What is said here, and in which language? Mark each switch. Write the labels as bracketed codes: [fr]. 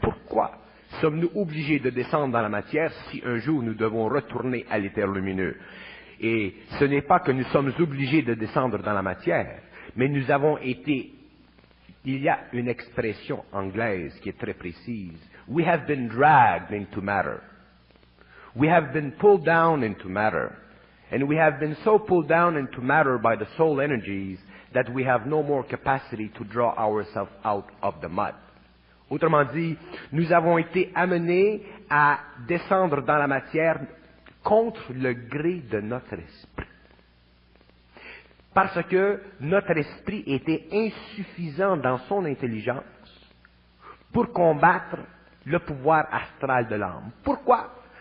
[fr] Pourquoi sommes-nous obligés de descendre dans la matière si un jour nous devons retourner à l'éther lumineux? Et ce n'est pas que nous sommes obligés de descendre dans la matière, mais nous avons été... Il y a une expression anglaise qui est très précise. [en] We have been dragged into matter. We have been pulled down into matter. And we have been so pulled down into matter by the soul energies that we have no more capacity to draw ourselves out of the mud. [fr] Autrement dit, nous avons été amenés à descendre dans la matière contre le gré de notre esprit. Parce que notre esprit était insuffisant dans son intelligence pour combattre le pouvoir astral de l'âme. Pourquoi?